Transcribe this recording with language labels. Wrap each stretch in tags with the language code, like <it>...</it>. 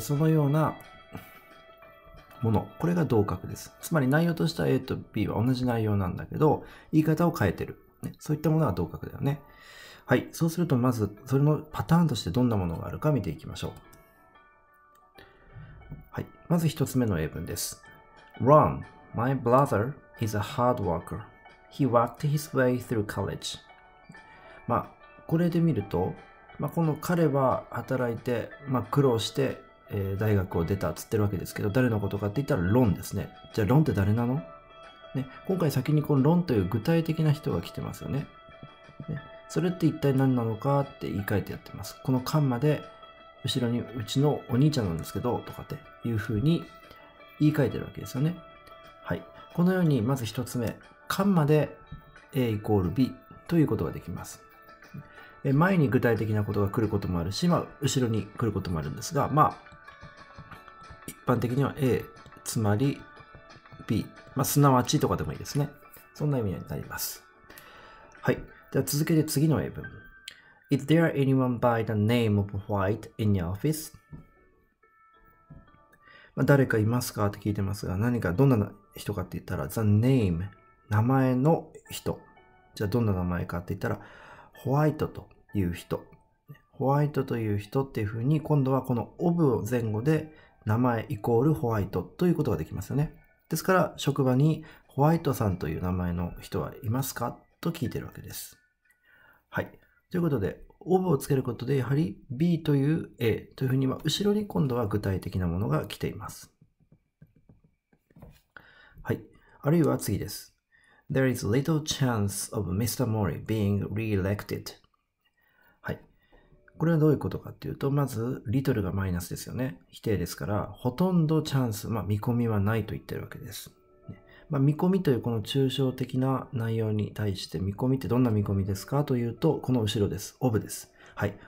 <ja>そのようなもの、これが同格です。つまり内容としては A と B は同じ内容なんだけど、言い方を変えてる、ね、そういったものは同格だよね。はい、そうすると、まずそれのパターンとしてどんなものがあるか見ていきましょう。はい、まず一つ目の英文です。</ja> <en>Ron, my brother is a hard worker. He worked his way through college.</en> <ja>これで見ると、この彼は働いて、苦労して、大学を出たっつってるわけですけど、誰のことかって言ったらロンですね。じゃあロンって誰なの？ね、今回先にこのロンという具体的な人が来てますよね。それって一体何なのかって言い換えてやってます。このカンマで後ろにうちのお兄ちゃんなんですけど、とかっていうふうに言い換えてるわけですよね。はい。このようにまず一つ目、カンマで A イコール B ということができます。前に具体的なことが来ることもあるし、後ろに来ることもあるんですが、一般的には A、つまり B、すなわちとかでもいいですね。そんな意味になります。はい、では続けて次の英文。</ja> <en>Is there anyone by the name of White in your office?</en> <ja>誰かいますかって聞いてますが、何かどんな人かって言ったら The name、 名前の人。じゃあどんな名前かって言ったら White という人。ホワイトという人っていうふうに、今度はこの of を前後で名前イコールホワイトということができますよね。ですから、職場にホワイトさんという名前の人はいますかと聞いてるわけです。はい。ということで、オブをつけることで、やはり B という A というふうに、後ろに今度は具体的なものが来ています。はい。あるいは次です。</ja> <en>There is little chance of Mr. Mori being re-elected.</en> <ja>これはどういうことかっていうと、まず、リトルがマイナスですよね。否定ですから、ほとんどチャンス、見込みはないと言ってるわけです。見込みというこの抽象的な内容に対して、見込みってどんな見込みですかというと、この後ろです。オブです。はい。</ja>